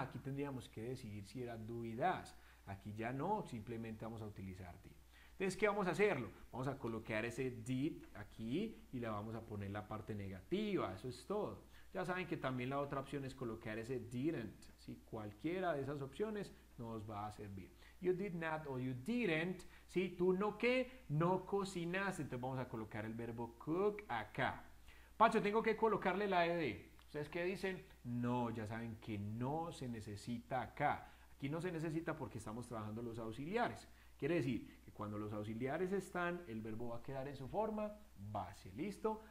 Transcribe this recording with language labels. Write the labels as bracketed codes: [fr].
[es] Aquí tendríamos que decidir si era do y does. Aquí ya no, simplemente vamos a utilizar did. Entonces, ¿qué vamos a hacerlo? Vamos a colocar ese did aquí y le vamos a poner la parte negativa, eso es todo. Ya saben que también la otra opción es colocar ese didn't. ¿Sí? Cualquiera de esas opciones nos va a servir. [en] You did not o you didn't, ¿sí? [es] Tú no qué, no cocinaste. Entonces, vamos a colocar el verbo cook acá. Pacho, tengo que colocarle la ed. ¿Ustedes qué dicen? No, ya saben que no se necesita acá. Aquí no se necesita porque estamos trabajando los auxiliares. Quiere decir que cuando los auxiliares están, el verbo va a quedar en su forma base. ¿Listo?